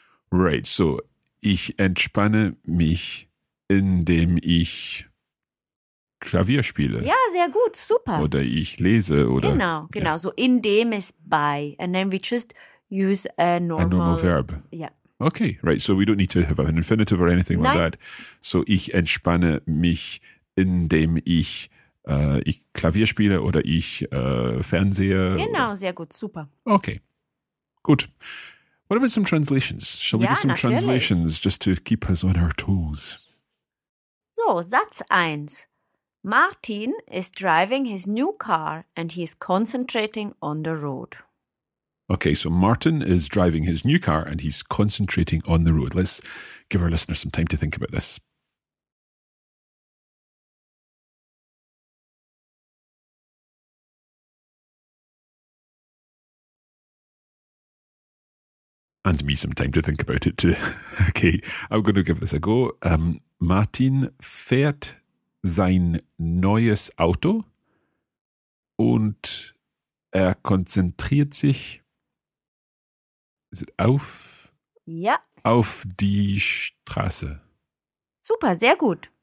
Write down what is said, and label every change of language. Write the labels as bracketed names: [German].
[English] Right, so [German] ich entspanne mich, indem ich Klavier spiele. Ja, sehr gut, super. Oder ich lese, oder? Genau, genau. Ja. [English] So indem is by, and then we just use a normal verb. [German] Ja. [English] Okay, right, so we don't need to have an infinitive or anything [German] Nein. [English] Like that. [German] So ich entspanne mich, indem ich, ich Klavier spiele oder ich fernsehe. Genau, oder? Sehr gut, super. [English] Okay, gut. What about some translations? Shall we [German] ja, [English] do some [German] natürlich. [English] Translations just to keep us on our toes? [German] So, Satz 1. [English] Martin is driving his new car and he is concentrating on the road. Okay, so Martin is driving his new car and he's concentrating on the road. Let's give our listeners some time to think about this. And me some time to think about it too. Okay, I'm going to give this a go. [German] Martin fährt sein neues Auto und er konzentriert sich auf, ja. Auf die Straße. Super, sehr gut.